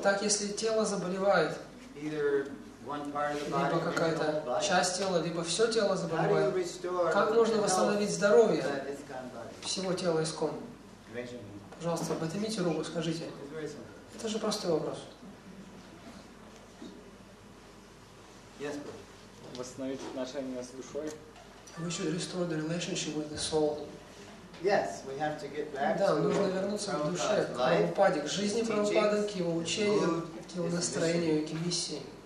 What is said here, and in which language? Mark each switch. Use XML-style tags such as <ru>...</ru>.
<ru>Так, если тело заболевает, либо какая-то часть тела, либо все тело заболевает, как можно восстановить здоровье всего тела ИСККОН? Пожалуйста, поднимите руку, скажите. Это же простой вопрос. Восстановить отношения с душой.</ru> <en>We should restore the relationship with the soul. Yes, we have to get back.</en> <ru>Да, нужно вернуться к душе, к Прабхупаде, к жизни Прабхупады, к его учению, к его настроению, к миссии.</ru>